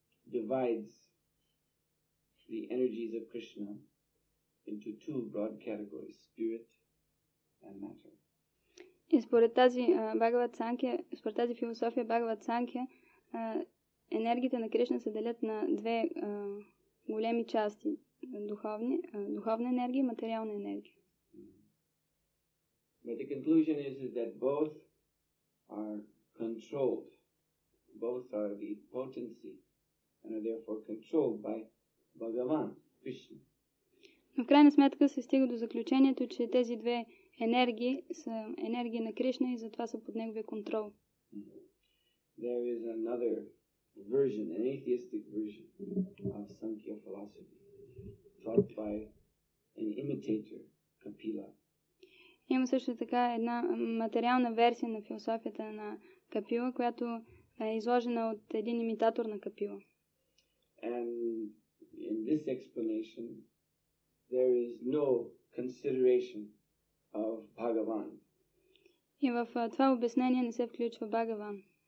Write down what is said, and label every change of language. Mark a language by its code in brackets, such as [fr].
[en] Divides the energies of Krishna into two broad categories, spirit and matter. [bg] И според тази Бхагават Санкхя, според тази философия Бхагават Санкхя, енергиите на Кришна се делят на две големи части, духовна енергия и материална енергия. [en] But the conclusion is that both are controlled. Both are the potency and are therefore controlled by Bhagavan, Krishna. [bg] Но в крайна сметка се стига до заключението, че тези две енергии са енергии на Кришна и затова са под неговия контрол. [en] There is another version, an atheistic version of Sankhya philosophy, taught by an imitator, Kapila. [bg] Има също така една материална версия на философията на Капила, която е изложена от един имитатор на Капила. [en] And in this explanation, there is no consideration of Bhagavan. [bg] И в това обяснение не се включва Бхагаван.